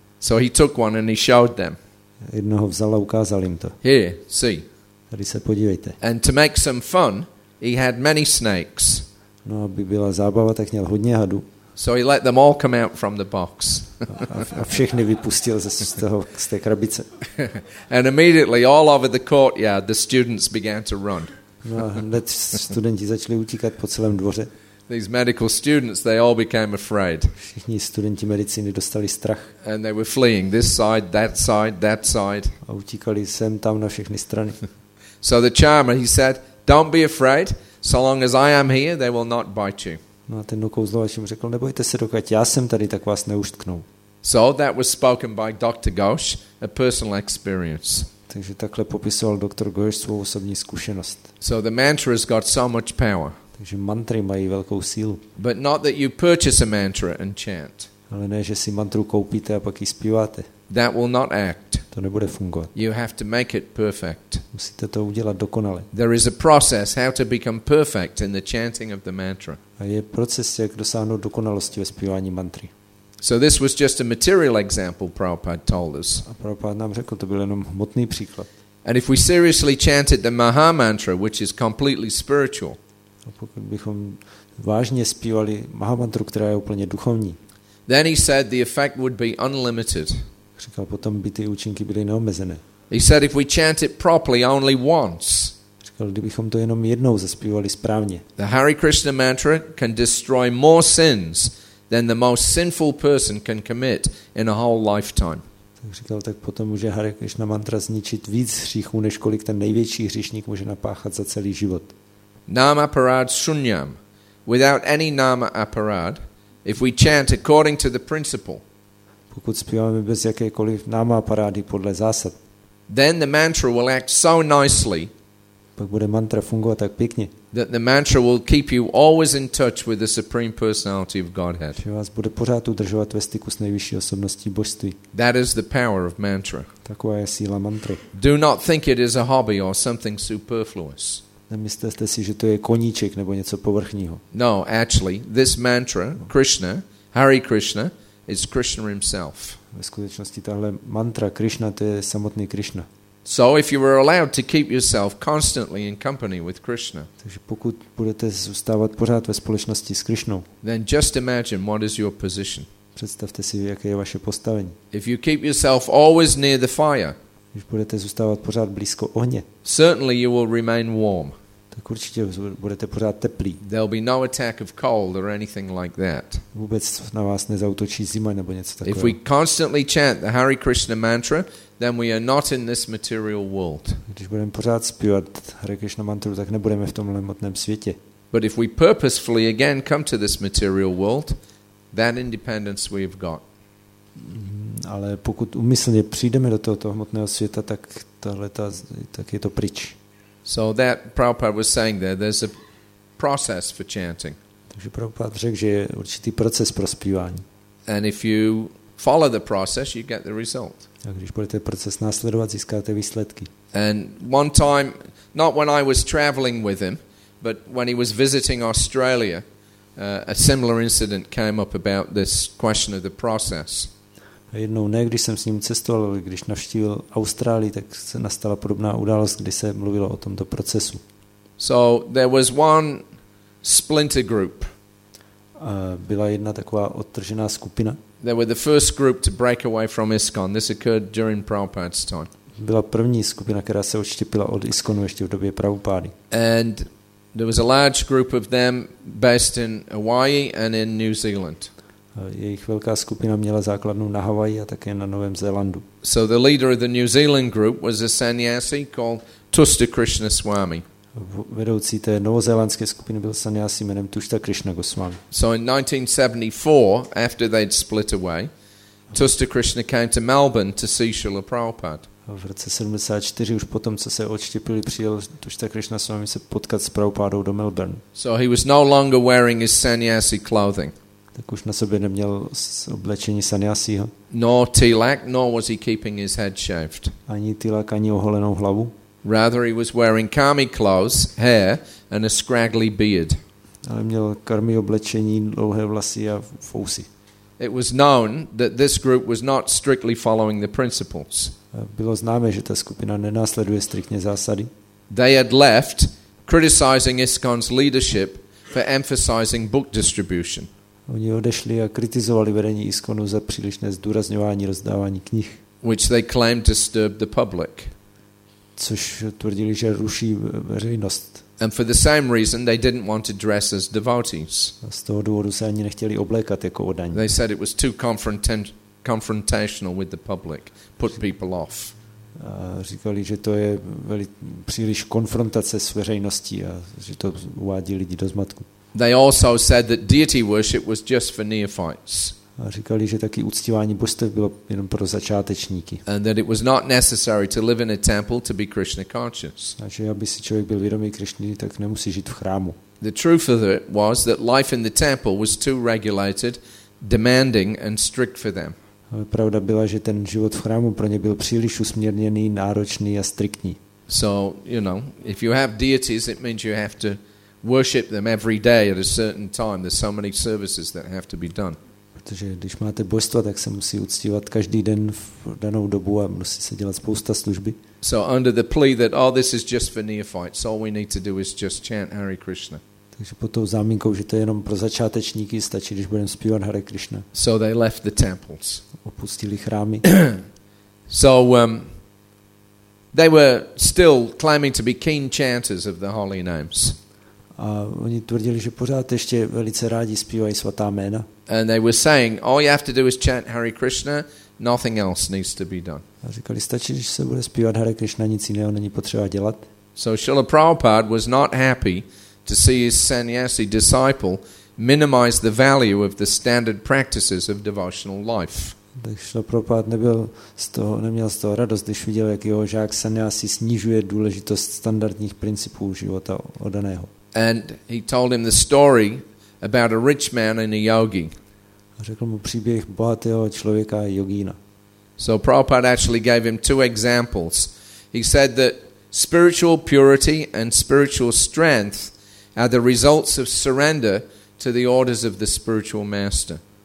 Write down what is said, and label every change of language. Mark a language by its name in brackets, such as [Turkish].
[English] So he took one and he showed them. [Czech] Jednoho vzal a ukázal jim to. [English] Here, see. [Czech] Tady se podívejte. [English] And to make some fun, he had many snakes. [Czech] No, aby byla zábava, tak měl hodně hadů. [English] So he let them all come out from the box. [Czech] A všechny vypustil ze toho, z té krabice. [English] And immediately all over the courtyard the students began to run. [Czech] No, hned studenti začali utíkat po celém dvoře. [English] These medical students, they all became afraid. [Czech] Všichni studenti medicíny dostali strach. [English] And they were fleeing this side, that side, that side. [Czech] A utíkali sem tam na všechny strany. [English] So the charmer, he said, don't be afraid, so long as I am here, they will not bite you. [Czech] No a ten okouzlovač jim řekl, nebojte se, dokud já jsem tady, tak vás neuštknou. [English] So that was spoken by Dr. Ghosh, a personal experience. [Czech] Takže takhle popisoval Dr. Ghosh svou osobní zkušenost. [English] So the mantra has got so much power. [Czech] Takže mantry mají velkou sílu. [English] But not that you purchase a mantra and chant. [Czech] Ale ne, že si mantru koupíte a pak ji zpíváte. [English] That will not act. [Czech] To nebude fungovat. [English] You have to make it perfect. [Czech] Musíte to udělat dokonale. [English] There is a process how to become perfect in the chanting of the mantra. [Czech] A je proces, jak dosáhnout dokonalosti ve zpívání mantry. [English] So this was just a material example Prabhupada told us. [Czech] A Prabhupada nám řekl, to byl jenom hmotný příklad. [English] And if we seriously chanted the Maha mantra, which is completely spiritual. [Czech] A pokud bychom vážně zpívali Maha mantru, která je úplně duchovní. [English] Then he said the effect would be unlimited. [Czech] Říkal, potom by ty účinky byly neomezené. [English] He said if we chant it properly only once. [Czech] Říkal, kdybychom to jenom jednou zaspívali správně. [English] The Hare Krishna mantra can destroy more sins than the most sinful person can commit in a whole lifetime. [Czech] Tak říkal, tak potom může Hare Krishna mantra zničit víc hříchů, než kolik ten největší hříšník může napáchat za celý život. [Sanskrit] Nama aparad shunyam. [English] Without any nama aparad, if we chant according to the principle. [Czech] Pokud zpíváme bez jakékoliv nama aparády podle zásad. [English] Then the mantra will act so nicely. [Czech] Pak bude mantra fungovat tak pěkně. [English] That the mantra will keep you always in touch with the supreme personality of Godhead. [Czech] Že vás bude pořád udržovat ve styku s nejvyšší osobností božství. [English] That is the power of mantra. [Czech] Taková je síla mantry. [English] Do not think it is a hobby or something superfluous. [Czech] Nemyslete si, že to je koníček nebo něco povrchního. [English] No, actually, this mantra, Krishna, Hare Krishna, is Krishna himself. [Czech] Ve skutečnosti tahle mantra Krishna, to je samotný Krishna. [English] So if you were allowed to keep yourself constantly in company with Krishna. [Czech] Takže pokud budete zůstávat pořád ve společnosti s Krishnou. [English] Then just imagine what is your position. [Czech] Představte si, jaké je vaše postavení. [English] If you keep yourself always near the fire. [Czech] Když budete zůstávat pořád blízko ohně. [English] Certainly you will remain warm. [Czech] Tak určitě budete pořád teplý. [English] There'll be no attack of cold or anything like that. [Czech] Vůbec na vás nezautočí zima nebo něco takového. [English] If we constantly chant the Hare Krishna mantra, then we are not in this material world. [Czech] Když budeme pořád zpívat Hare Krishna mantru, tak nebudeme v tomhle hmotném světě. [English] But if we purposefully again come to this material world, that independence we've got. [Czech] Ale pokud úmyslně přijdeme do tohoto hmotného světa, tak tak je to pryč. [English] So that Prabhupada was saying there's a process for chanting. [Czech] Takže Prabhupada řekl, že je určitý proces pro zpívání. [English] And if you follow the process, you get the result. [Czech] A když budete proces následovat, získáte výsledky. [English] And one time, not when I was traveling with him, but when he was visiting Australia, a similar incident came up about this question of the process. [Czech] A jednou ne, když jsem s ním cestoval, ale když navštívil Austrálii, tak se nastala podobná událost, kdy se mluvilo o tomto procesu. [English] So there was one splinter group. [Czech] Byla jedna taková odtržená skupina. [English] They were the first group to break away from ISKCON. This occurred during Prabhupada's time. [Czech] Byla první skupina, která se odštěpila od ISKCONu ještě v době Prabhupády. [English] And there was a large group of them based in Hawaii and in New Zealand. [Czech] Jejich velká skupina měla základnu na Havaji a také na Novém Zélandu. [English] So the leader of the New Zealand group was a sannyasi called Tushta Krishna Swami. [Czech] Vedoucí té novozélandské skupiny byl sannyasi jménem Tushta Krishna Goswami. [English] So in 1974, after they'd split away, Tushta Krishna came to Melbourne to see Srila Prabhupada. [Czech] V roce 74, už potom, co se odštěpili, přijel Tushta Krishna Swami se potkat s Prabhupádou do Melbourne. [English] So he was no longer wearing his sannyasi clothing. [Czech] Tak už na sobě neměl oblečení sannyasiho. [English] Nor tilak, nor was he keeping his head shaved. [Czech] Ani tilak, ani oholenou hlavu. [English] Rather he was wearing karmi clothes, hair and a scraggly beard. [Czech] Ale měl karmi oblečení, dlouhé vlasy a fousy. [English] It was known that this group was not strictly following the principles. [Czech] Bylo známé, že ta skupina nenásleduje striktně zásady. [English] They had left, criticizing ISKCON's leadership for emphasizing book distribution. [Czech] Oni odešli a kritizovali vedení ISKCONu za přílišné zdůrazňování rozdávání knih. [English] Which they claimed disturbed the public. [Czech] Což tvrdili, že ruší veřejnost. [English] And for the same reason they didn't want to dress as devotees. [Czech] Z toho důvodu se ani nechtěli oblékat jako oddaní. [English] They said it was too confrontational with the public, put people off. [Czech] A říkali, že to je příliš konfrontace s veřejností a že to uvádí lidi do zmatku. [English] They also said that deity worship was just for neophytes. [Czech] A říkali, že taky uctívání božstev bylo jenom pro začátečníky. [English] And that it was not necessary to live in a temple to be Krishna conscious. [Czech] A že aby si člověk byl vědomý Krišny, tak nemusí žít v chrámu. [English] The truth of it was that life in the temple was too regulated, demanding and strict for them. [Czech] Pravda byla, že ten život v chrámu pro ně byl příliš usměrněný, náročný a striktní. [English] So, you know, if you have deities, it means you have to worship them every day at a certain time. There's so many services that have to be done. [Czech] Protože když máte božstva, tak se musí uctívat každý den v danou dobu a musí se dělat spousta služby. [English] So under the plea that all this is just for neophytes, all we need to do is just chant Hare Krishna. [Czech] Takže pod tou záminkou, že to je jenom pro začátečníky, stačí, když budeme zpívat Hare Krishna. [English] So they left the temples. [Czech] Opustili chrámy. [English] So they were still claiming to be keen chanters of the holy names. [Czech] A oni tvrdili, že pořád ještě velice rádi zpívají svatá jména. [English] And they were saying, all you have to do is chant Hare Krishna, nothing else needs to be done. [Czech] A říkali, stačí, když se bude zpívat Hare Krishna, nic jiného není potřeba dělat. [English] So Srila Prabhupada was not happy to see his sannyasi disciple minimize the value of the standard practices of devotional life. [Czech] Tak Srila Prabhupada neměl z toho radost, když viděl, jak jeho žák sannyasi snižuje důležitost standardních principů života oddaného. [English] And he told him the story about a rich man and a yogi. [Czech] Řekl mu příběh bohatého člověka a jogína. [English] So Prabhupada actually gave him two examples. He said that spiritual purity and spiritual strength are the results of surrender to the orders of the spiritual master.